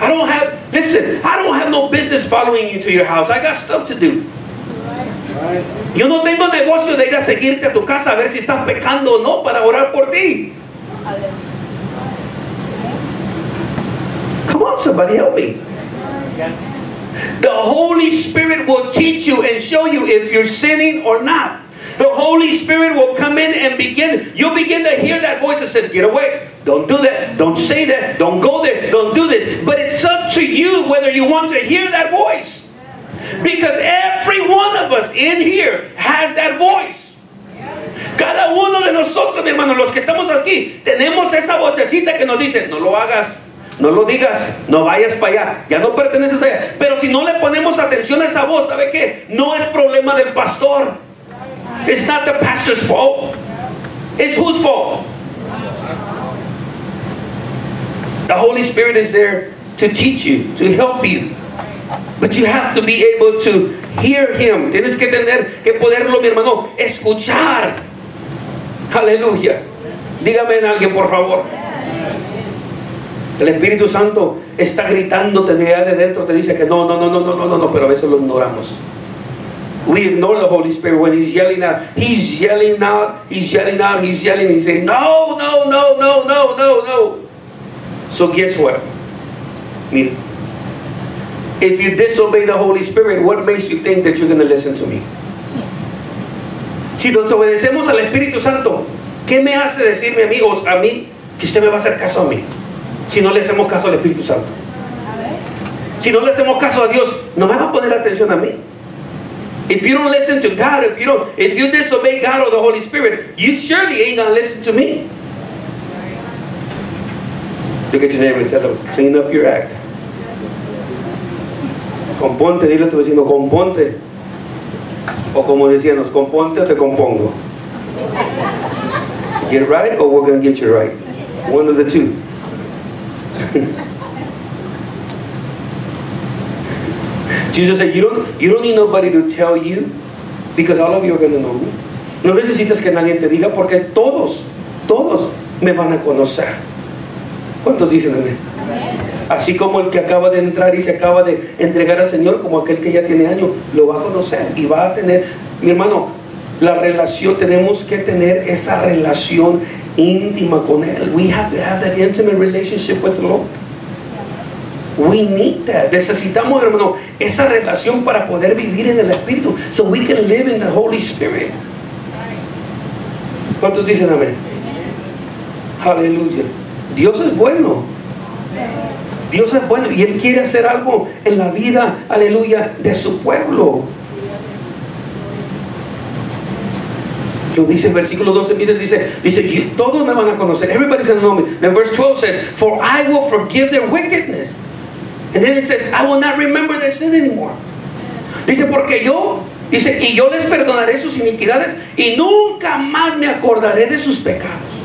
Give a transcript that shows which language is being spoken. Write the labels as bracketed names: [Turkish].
[English] I don't have, listen, I don't have no business following you to your house. I got stuff to do. [Spanish] Yo no tengo negocio de ir a seguirte a tu casa a ver si estás pecando o no para orar por ti. [English] Come on, somebody help me. The Holy Spirit will teach you and show you if you're sinning or not. The Holy Spirit will come in and begin. You'll begin to hear that voice that says, get away. Don't do that. Don't say that. Don't go there. Don't do this. But it's up to you whether you want to hear that voice. Because every one of us in here has that voice. [Spanish] Cada uno de nosotros, mi hermano, los que estamos aquí, tenemos esa vocecita que nos dice, no lo hagas. No lo digas, no vayas para allá, ya no perteneces allá. Pero si no le ponemos atención a esa voz, ¿sabe qué? No es problema del pastor. [English] It's not the pastor's fault. It's whose fault? The Holy Spirit is there to teach you, to help you. But you have to be able to hear him. [Spanish] Tienes que tener que poderlo, mi hermano, escuchar. Aleluya. Dígame en alguien, por favor. El Espíritu Santo está gritándote de dentro, te dice que no, pero a veces lo ignoramos. [English] We ignore the Holy Spirit when he's yelling out. He's yelling out, he's yelling out, he's yelling, he's saying, no. So guess what? [Spanish] Mire. [English] If you disobey the Holy Spirit, what makes you think that you're going to listen to me? [Spanish] Si desobedecemos al Espíritu Santo, ¿qué me hace decirme, amigos, a mí, que usted me va a hacer caso a mí? Si no le hacemos caso al Espíritu Santo. Si no le hacemos caso a Dios, no me va a poner atención a mí. [English] If you don't listen to God, if you disobey God or the Holy Spirit, you surely ain't going to listen to me. Look at your neighbor and tell them, clean up your act. [Spanish] Componte, dile a tu vecino, componte. O como decían, componte o te compongo. [English] Get right or we're going to get you right. One of the two. Jesus said, you don't need nobody to tell you because all of you are going to know me. [Spanish] No necesitas que nadie te diga porque todos me van a conocer. ¿Cuántos dicen amén? Así como el que acaba de entrar y se acaba de entregar al Señor, como aquel que ya tiene años, lo va a conocer y va a tener, mi hermano, la relación, tenemos que tener esa relación íntima con Él. [English] We have to have that intimate relationship with the Lord. We need that. [Spanish] Necesitamos, hermano, esa relación para poder vivir en el Espíritu. [English] So we can live in the Holy Spirit. [Spanish] ¿Cuántos dicen amén? Aleluya. Dios es bueno. Dios es bueno y Él quiere hacer algo en la vida, aleluya, de su pueblo. Lo dice el versículo 12, mire, dice, todos me van a conocer. [English] Everybody's going to know me. Then verse 12 says, for I will forgive their wickedness. And then it says, I will not remember their sin anymore. [Spanish] Dice, porque yo, dice, y yo les perdonaré sus iniquidades y nunca más me acordaré de sus pecados.